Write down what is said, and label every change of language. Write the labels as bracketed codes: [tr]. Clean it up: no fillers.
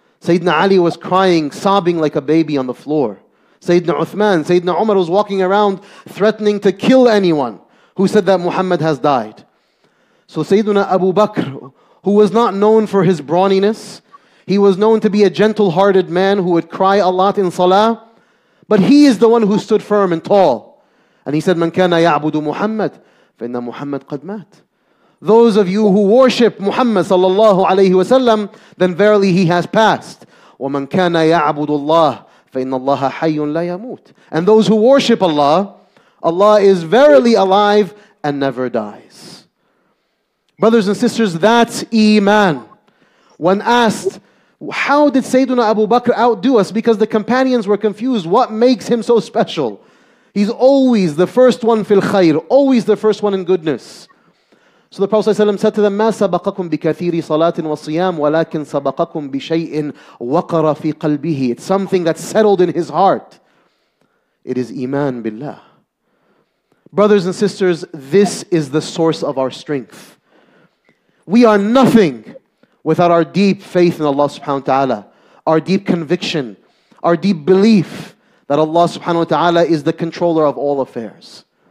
[en] Sayyidina Ali was crying, sobbing like a baby on the floor. Sayyidina Uthman, Sayyidina Umar was walking around threatening to kill anyone who said that Muhammad has died. So Sayyidina Abu Bakr, who was not known for his brawniness, he was known to be a gentle-hearted man who would cry a lot in salah, but he is the one who stood firm and tall. And he said, [ar] مَنْ كَانَ يَعْبُدُ مُحَمَّدٍ فَإِنَّ مُحَمَّدٍ قَدْ مَاتٍ. [en] Those of you who worship Muhammad sallallahu alayhi wa sallam, then verily he has passed. [ar] وَمَنْ كَانَ يَعْبُدُ اللَّهِ فَإِنَّ اللَّهَ حَيٌّ لَا يَمُوتٍ. [en] And those who worship Allah, Allah is verily alive and never dies. Brothers and sisters, that's iman. When asked, how did Sayyidina Abu Bakr outdo us? Because the companions were confused. What makes him so special? He's always the first one fil khair, always the first one in goodness. So the Prophet ﷺ said to them, [ar] مَا سَبَقَكُمْ بِكَثِيرِ صَلَاةٍ وَصِيَامٍ وَلَكِنْ سَبَقَكُمْ بِشَيْءٍ وَقَرَ فِي قَلْبِهِ. [en] It's something that's settled in his heart. It is iman billah. Brothers and sisters, this is the source of our strength. We are nothing without our deep faith in Allah subhanahu wa ta'ala, our deep conviction, our deep belief that Allah subhanahu wa ta'ala is the controller of all affairs.